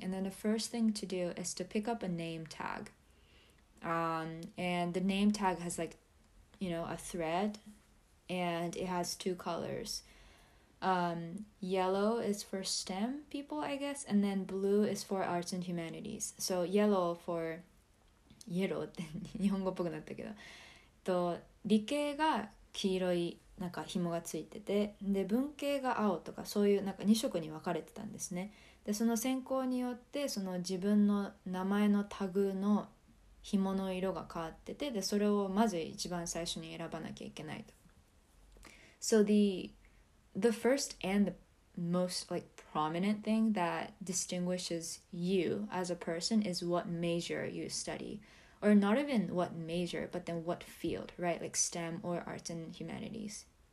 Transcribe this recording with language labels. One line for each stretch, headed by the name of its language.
English: And then the first thing to do is to pick up a name tag. And the name tag has like, you know, a thread and it has two colors. Yellow is for STEM people, I guess. And then blue is for arts and humanities. So yellow for... yellow
Japanese: って日本語っぽくなったけど。と理系が黄色いなんか紐がついてて、で文系が青とかそういうなんか2色に分かれてたんですね。でその選考によってその自分の名前のタグの紐の色が変わってて、でそれをまず一番最初に選ばなきゃいけないと。
English: So the first and the most like prominent thing that distinguishes you as a person is what major you study. Or not even what major, but then what field, right? Like STEM or arts and humanities.